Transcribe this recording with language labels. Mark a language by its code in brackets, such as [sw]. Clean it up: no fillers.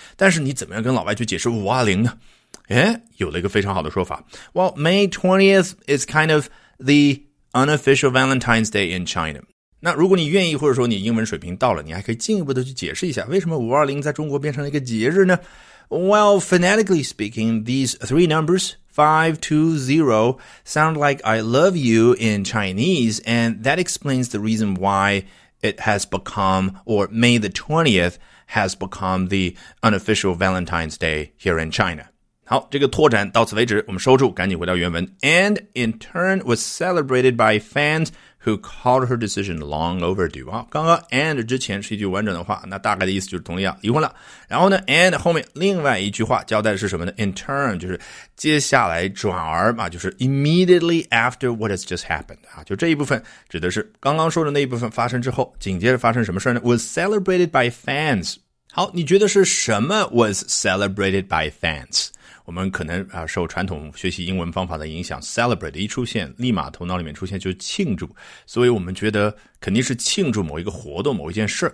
[zh] 但是你怎么样跟老外去解释520呢？诶，有了一个非常好的说法。 [en] Well, May 20th is kind of the unofficial Valentine's Day in China。 [zh] 那如果你愿意，或者说你英文水平到了，你还可以进一步的去解释一下，为什么520在中国变成了一个节日呢？ [en] Well, phonetically speaking, these three numbers, 520, sound like I love you in Chinese, and that explains the reason why it has become, or May the 20th has become the unofficial Valentine's Day here in China. [zh] 好，这个拓展到此为止，我们收住，赶紧回到原文。 [en] And in turn was celebrated by fans who called her decision long overdue. [zh] 好，刚刚 and 之前是一句完整的话，那大概的意思就是佟丽娅离婚了。然后呢 and 后面另外一句话交代的是什么呢？ [en] In turn [zh] 就是接下来转而嘛，就是 [en] immediately after what has just happened. [zh] 就这一部分指的是刚刚说的那一部分发生之后，紧接着发生什么事呢？ [en] Was celebrated by fans. [zh] 好，你觉得是什么 [en] was celebrated by fans? [zh] 我们可能啊受传统学习英文方法的影响 ，celebrate 一出现，立马头脑里面出现就是庆祝，所以我们觉得肯定是庆祝某一个活动、某一件事。